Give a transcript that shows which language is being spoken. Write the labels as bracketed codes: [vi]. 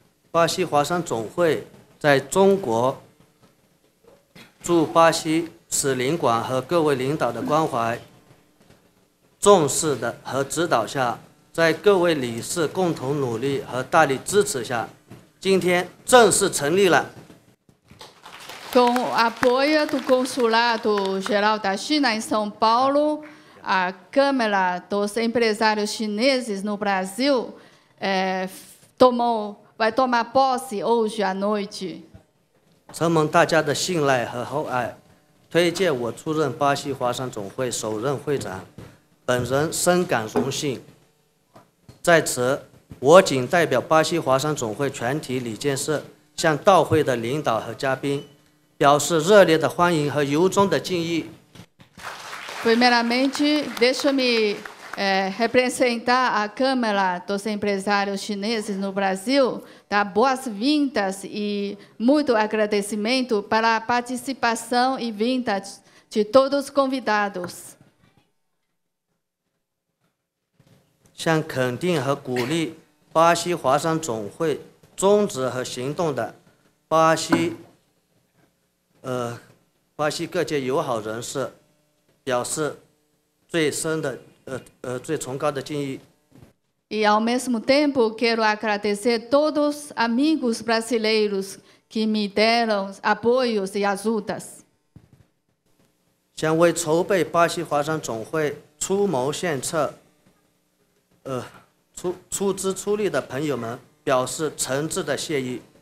[zh] 巴西华山总会在中国驻巴西使领馆和各位领导的关怀、重视的和指导下，在各位理事共同努力和大力支持下，今天正式成立了。 [pt] Com o apoio do Consulado Geral da China em São Paulo, a Câmara dos Empresários Chineses no Brasil vai tomar posse hoje à noite. [zh] 承蒙大家的信赖和厚爱，推荐我出任巴西华山总会首任会长，本人深感荣幸。在此，我谨代表巴西华山总会全体理监事向到会的领导和嘉宾表示热烈的欢迎和由衷的敬意。 [pt] Primeiramente, deixa-me representar a Câmara dos Empresários Chineses no Brasil, dar boas-vindas e muito agradecimento para a participação e vinda de todos os convidados. [zh] 向肯定和鼓励巴西华山总会宗旨和行动的巴西。巴西各界友好人士表示最深的最崇高的敬意。 [pt] E ao mesmo tempo quero agradecer todos os amigos brasileiros que me deram apoios e ajudas. [zh] 想为筹备巴西华山总会出谋献策，出资出力的朋友们表示诚挚的谢意。